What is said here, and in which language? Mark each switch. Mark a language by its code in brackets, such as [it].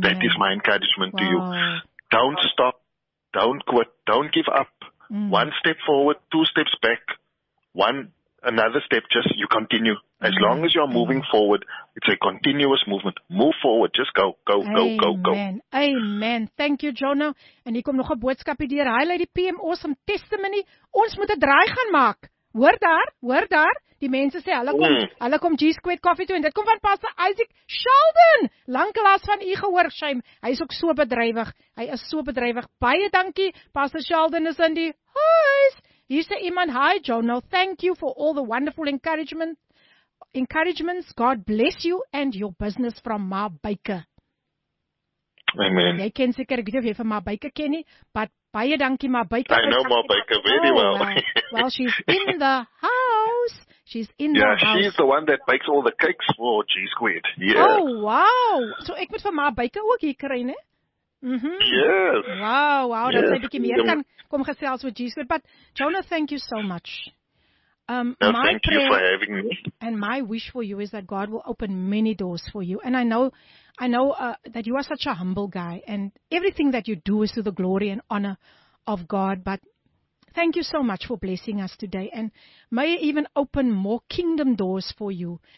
[en] That is my encouragement to you. Don't stop. Don't quit. Don't give up. Mm. One step forward, 2 steps back, another step, just you continue. As long as you're moving forward, it's a continuous movement. Move forward. Just go. Amen. Thank you, Jonah. [af] En hier kom nog 'n boodskapie deur. [en] Hi, Lady PM, awesome testimony. [af] Ons moet 'n draai gaan maak. Hoor daar. Die mense sê, hulle kom G-Squared Coffee toe. En dit kom van Pastor Isaac Sheldon. Lankelaas van u gehoor, shame. Hy is ook so bedrywig. Baie dankie. Pastor Sheldon is in die huis. Hier sê iemand, hi, Jonah. [en] Thank you for all the wonderful encouragement. Encouragements, God bless you and your business from Ma Baker. Amen. [af] Jy ken seker, ek weet of jy van Ma Baker ken nie, but baie dankie Ma Baker. [en] I know Ma Baker very well. Well, she's in the house. She's in the house. Yeah, she's the one that bakes all the cakes for G-Squared. Yeah. Oh, wow. [af] So ek moet vir my baker ook hier kry, né? [en] Yes. [af] Wow, dat sy bietjie meer kan kom gesels met G-Squared. [en] But, Jonah, thank you so much. Thank you for having me. And my wish for you is that God will open many doors for you. And I know that you are such a humble guy. And everything that you do is to the glory and honor of God. But thank you so much for blessing us today. And may I even open more kingdom doors for you.